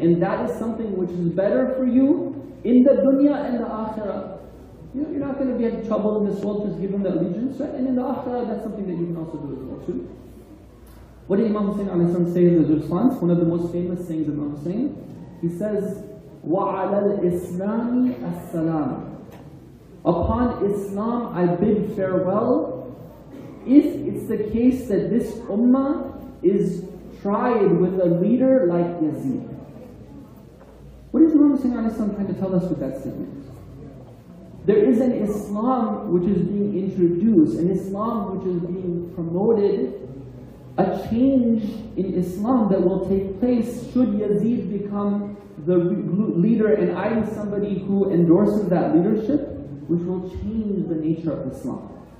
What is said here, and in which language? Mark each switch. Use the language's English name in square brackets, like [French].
[English] And that is something which is better for you in the dunya and the akhirah. You know, you're not going to be in trouble in this world, just give him the allegiance, right? And in the akhirah, that's something that you can also do as well too. What did Imam Hussein alayhi salam say in his response? One of the most famous sayings of Imam Hussein. [Arabic] He says, وَعَلَى الْإِسْلَامِ السَّلَامِ. [English] Upon Islam, I bid farewell. If it's the case that this ummah is tried with a leader like Yazid. What is Imam Hussein alayhi salam trying to tell us with that statement? There is an Islam which is being introduced, an Islam which is being promoted, a change in Islam that will take place should Yazid become the leader, and I am somebody who endorses that leadership, which will change the nature of Islam.